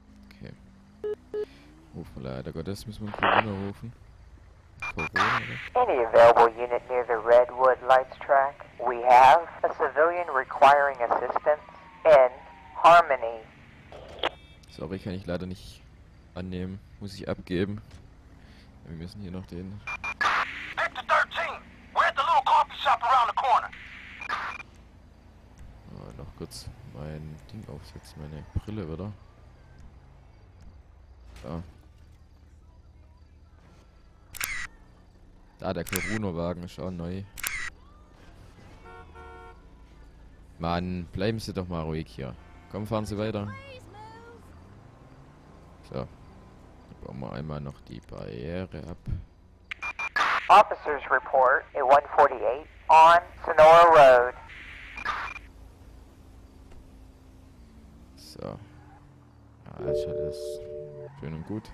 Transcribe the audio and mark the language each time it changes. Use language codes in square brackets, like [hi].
[de] Okay. Rufen, leider Gottes müssen wir Corona rufen. Corona, oder? [en] Any available unit near the Redwood Lights track? We have a civilian requiring assistance in Harmony. [de] Sorry, kann ich leider nicht annehmen. Muss ich abgeben. Wir müssen hier noch den. [en] Hector 13, we're at the little coffee shop around the corner. [de] Oh, noch kurz mein Ding aufsetzen, meine Brille, oder? Da. Da, der Corona-Wagen ist auch neu. Mann, bleiben Sie doch mal ruhig hier. Komm, fahren Sie weiter. So. Dann bauen wir einmal noch die Barriere ab. [en] Officers report at 148 on Sonora Road. [de] So. Ja, ist alles schön und gut.